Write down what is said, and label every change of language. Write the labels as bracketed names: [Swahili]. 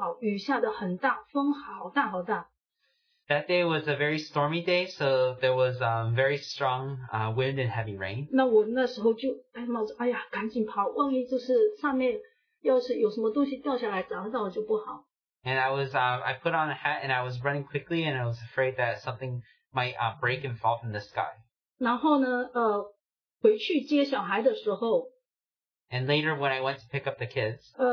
[Chinese] 我出来的时候已经,那天就是天气很不好,雨下得很大,风好大好大。 [English] That day was a very stormy day, so there was very strong wind and heavy rain. [Chinese] 那我那时候就,哎呀,赶紧跑,万一就是上面... 要是有什么东西掉下来砸到就不好。 [English] And I was I put on a hat and I was running quickly and I was afraid that something might break and fall from the sky. [Chinese] 然后呢，回去接小孩的时候。 [English] And later when I went to pick up the kids.